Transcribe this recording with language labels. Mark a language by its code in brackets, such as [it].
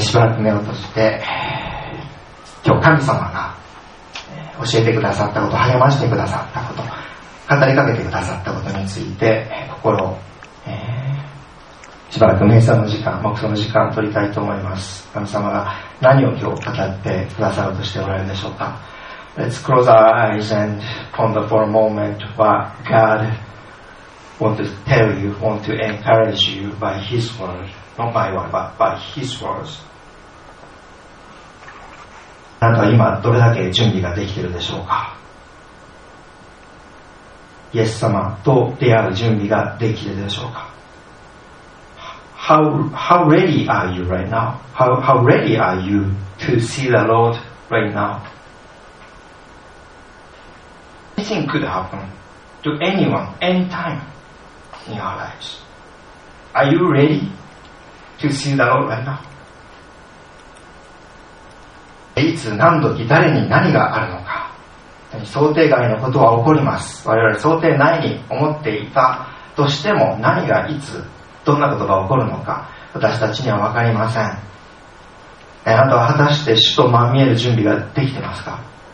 [ja] しばらく目を閉じて、今日神様が教えてくださったこと、励ましてくださったこと、語りかけてくださったことについて、心を、しばらく瞑想の時間、黙想の時間を取りたいと思います。神様が何を今日語ってくださろうとしておられるでしょうか。 [en] Let's close our eyes and ponder for a moment what God wants to tell you, wants to encourage you by His word, not my word, but by His words. [ja] あなたは今どれだけ準備ができているでしょうか。イエス様と出会う準備ができているでしょうか。 [en] How ready are you right now? How ready are you to see the Lord right now? Anything could happen to anyone, anytime in our lives. Are you ready to see the Lord right now? [ja] いつ何時誰に何があるのか。想定外のことは起こります。我々想定内に思っていたとしても、何がいつどんなことが起こるのか私たちには分かりません。あなたは果たして主とまみえる準備ができてますか。